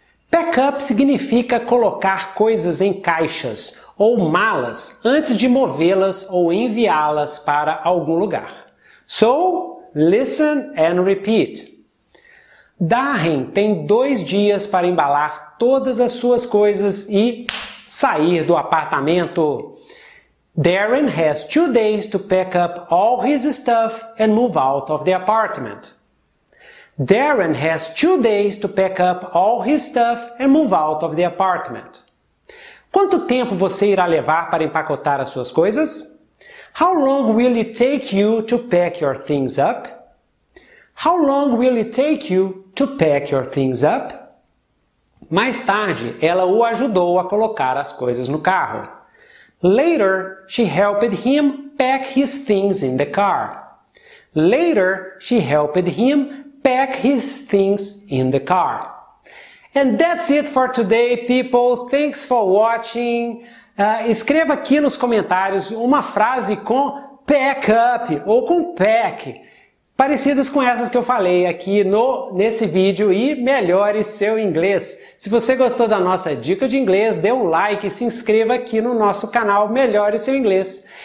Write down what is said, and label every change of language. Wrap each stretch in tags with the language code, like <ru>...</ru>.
<pt>Pack up significa colocar coisas em caixas ou malas antes de movê-las ou enviá-las para algum lugar.</pt> <en>So, listen and repeat.</en> <pt>Darren tem 2 dias para embalar todas as suas coisas e sair do apartamento.</pt> <en>Darren has 2 days to pack up all his stuff and move out of the apartment. Darren has 2 days to pack up all his stuff and move out of the apartment.</en> <pt>Quanto tempo você irá levar para empacotar as suas coisas?</pt> <en>How long will it take you to pack your things up? How long will it take you to pack your things up?</en> <pt>Mais tarde, ela o ajudou a colocar as coisas no carro.</pt> <en>Later, she helped him pack his things in the car. Later, she helped him pack his things in the car. And that's it for today, people. Thanks for watching.</en> <pt>Escreva aqui nos comentários uma frase com pack up ou com pack, parecidas com essas que eu falei aqui nesse vídeo, e melhore seu inglês. Se você gostou da nossa dica de inglês, dê um like e se inscreva aqui no nosso canal Melhore Seu Inglês.</pt>